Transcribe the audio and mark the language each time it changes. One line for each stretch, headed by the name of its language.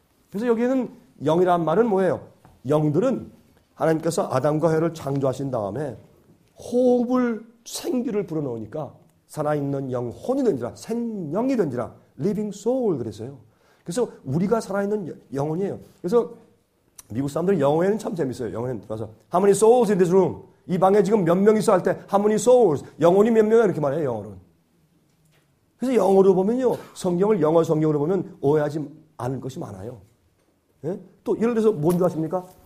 Korean: 그래서 여기에는 영이란 말은 뭐예요? 영들은 하나님께서 아담과 혀를 창조하신 다음에 호흡을 생기를 불어넣으니까 살아있는 영혼이 된지라 생영이 된지라
English: living soul
Korean: 그랬어요. 그래서 우리가 살아있는 영혼이에요. 그래서 미국 사람들 영혼에는 참 재밌어요. 영혼에 들어가서
English: How many souls in this room?
Korean: 이 방에 지금 몇 명 있어 할 때
English: How many souls?
Korean: 영혼이 몇 명이야? 이렇게 말해요. 영혼은. 그래서 영어로 보면요. 성경을 영어 성경으로 보면 오해하지 않을 것이 많아요. 예? 또 예를 들어서 뭔지 아십니까?